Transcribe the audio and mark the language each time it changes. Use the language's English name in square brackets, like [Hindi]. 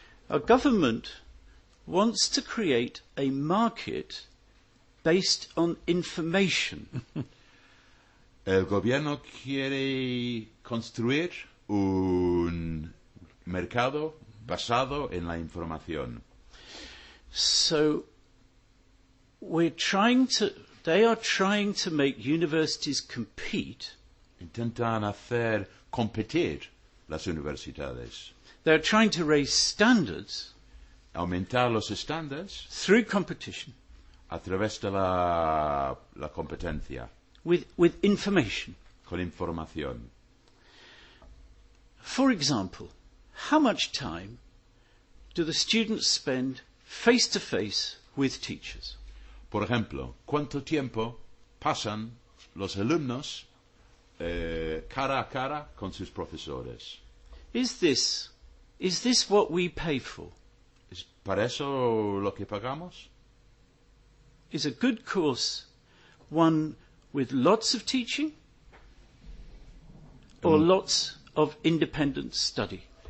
[English] A government wants to create a market based on information. [Spanish] El gobierno quiere construir un mercado basado en la información. [English] So, they are trying to make universities compete. [Spanish] Intentan hacer competir las universidades. [English] They're trying to raise standards. [Spanish] Aumentar los estándares. [English] Through competition. [Spanish] A través de la competencia. [English] With information. [Spanish] Con información. [English] For example, how much time do the students spend face to face with teachers? [Spanish] Por ejemplo, ¿cuánto tiempo pasan los alumnos cara a cara con sus profesores? [English] Is this what we pay for? [Spanish] ¿Es para eso lo que pagamos? [English] Is a good course one with lots of teaching or lots of independent study?